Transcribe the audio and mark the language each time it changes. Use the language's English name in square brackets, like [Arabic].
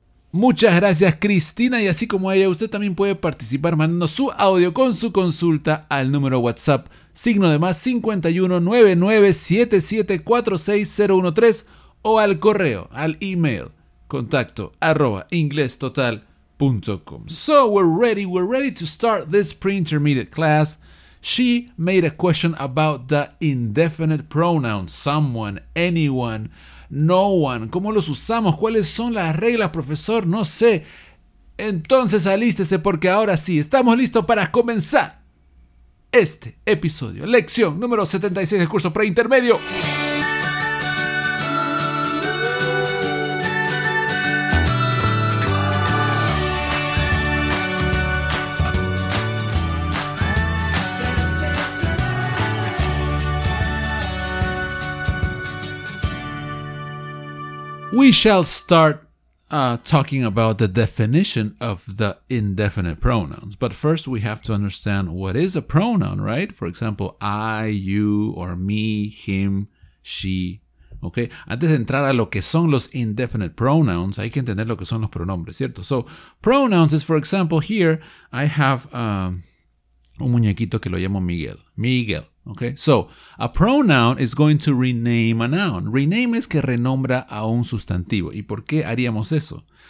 [Spanish] Muchas gracias, Cristina. Y así como ella, usted también puede participar mandando su audio con su consulta al número WhatsApp. Signo de más 5199774603 o al correo, al email. contacto@inglestotal.com. [English] So we're ready to start this pre-intermediate class. She made a question about the indefinite pronoun, someone, anyone, no one. [Spanish] ¿Cómo los usamos? ¿Cuáles son las reglas, profesor? No sé. Entonces alístese porque ahora sí, estamos listos para comenzar este episodio. Lección número 76 del curso preintermedio. [English] We shall start talking about the definition of the indefinite pronouns. But first, we have to understand what is a pronoun, right? For example, I, you, or me, him, she. Okay. [Spanish] Antes de entrar a lo que son los indefinite pronouns, hay que entender lo que son los pronombres, ¿cierto? [English] So, pronouns is, for example, here, I have [Spanish] un muñequito que lo llamo Miguel. [English] Miguel. Okay, so a pronoun is going to rename a noun. [Spanish] Rename es que renombra a un sustantivo. ¿Y por qué haríamos eso?